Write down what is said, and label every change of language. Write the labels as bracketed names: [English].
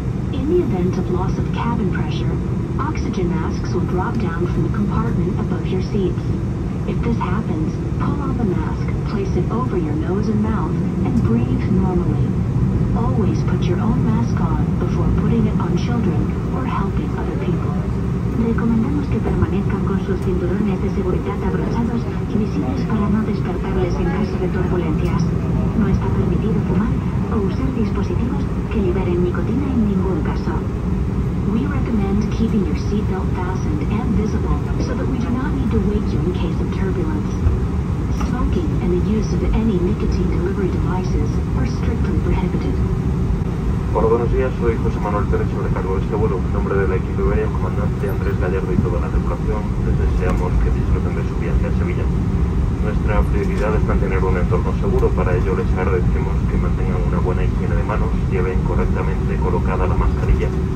[English] In the event of loss of cabin pressure, oxygen masks will drop down from the compartment above your seats. If this happens, pull on the mask, place it over your nose and mouth, and breathe normally. Always put your own mask on before putting it on children or helping other people. [Spanish] Recomendamos que permanezcan con sus cinturones de seguridad abrochados y visibles para no despertarles en caso de turbulencias. No está permitido fumar o usar dispositivos que liberen nicotina en ningún caso. [English] We recommend keeping your seatbelt fastened and visible so that we do not need to wake you in case of turbulence. Smoking and the use of any nicotine delivery devices are strictly prohibited. [Spanish] Hola, buenos días, soy José Manuel Pérez, sobrecargo de este vuelo. En nombre del equipo Iberia, comandante Andrés Gallardo y toda la tripulación, les deseamos que disfruten de su viaje a Sevilla. Nuestra prioridad es mantener un entorno seguro, para ello les agradecemos que mantengan una buena higiene de manos, lleven correctamente colocada la mascarilla.